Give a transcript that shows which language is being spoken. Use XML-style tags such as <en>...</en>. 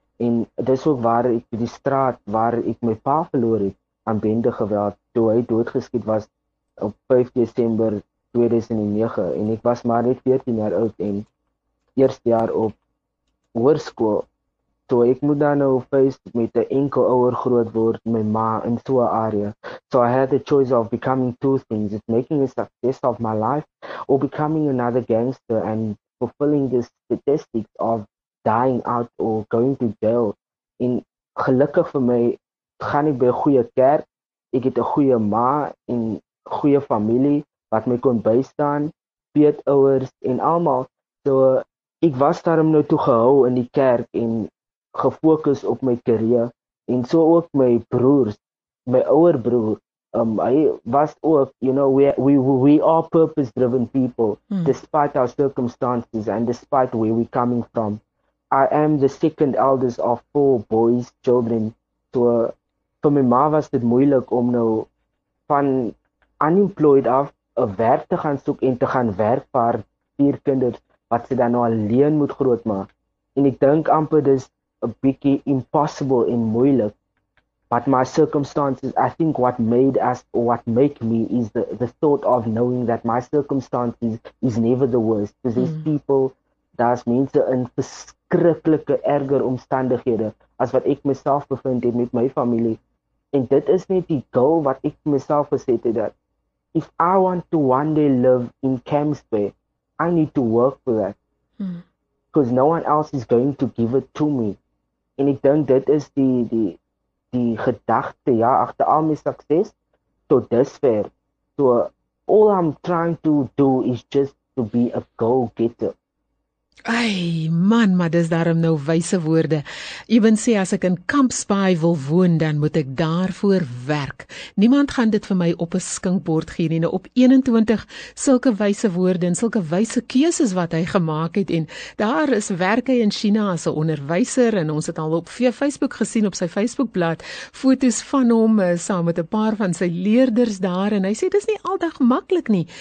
<af>En dis ook waar ek die straat waar ek my pa verloor het aan bende geweld, toe hy doodgeskiet was op 5 Desember 2009, en ek was maar net 14 jaar oud en eerste jaar op hoërskool. So ek moet dan nou face met 'n enkel ouer groot word, my ma, in so 'n area.</af> <en>So I had the choice of becoming two things. It's making a success of my life or becoming another gangster and fulfilling this statistic of dying out or going to jail.</en> <af>En gelukkig vir my gaan ek by 'n goeie kerk. Ek het 'n goeie ma en goeie familie wat my kon bystaan, peetouers en almal. So ek was daarom nou toe gehou in die kerk en gefokus op my karier en so ook my broers, my ouer broer. Hy was ook,</af> <en>you know, we are purpose driven people despite our circumstances and despite where we coming from. I am the second eldest of 4 boys children.</en> <af>So vir my ma was dit moeilik om nou van unemployed af 'n werk te gaan soek en te gaan werk vir 4 kinders wat sy dan nou alleen moet grootmaak. En ek dink amper dis 'n bietjie impossible en moeilik.</af> <en>But my circumstances, I think what made us, what make me, is the thought of knowing that my circumstances is never the worst. Because these people,</en> <af>daar's mense in verskriklike erger omstandighede as wat ek myself bevind het met my familie. En dit is net die goal wat ek myself gesit het, dat</af> <en>if I want to one day live in Camps Bay, I need to work for that. Because no one else is going to give it to me.</en> <af>En ek dink dit is die gedagte, ja, agter al my sukses tot dusver.</af> <en>So all I'm trying to do is just to be a go-getter.</en> <af>Ai man, maar dis daarom nou wyse woorde. Eben sê as ek in Camps Bay wil woon, dan moet ek daarvoor werk. Niemand gaan dit vir my op 'n skinkbord gee nie. Nou op 21 sulke wyse woorde en sulke wyse keuses wat hy gemaak het, en daar is werk hy in China as 'n onderwyser, en ons het al op Facebook gesien, op sy Facebookblad, foto's van hom saam met 'n paar van sy leerders daar, en hy sê dis nie altyd maklik nie.</af>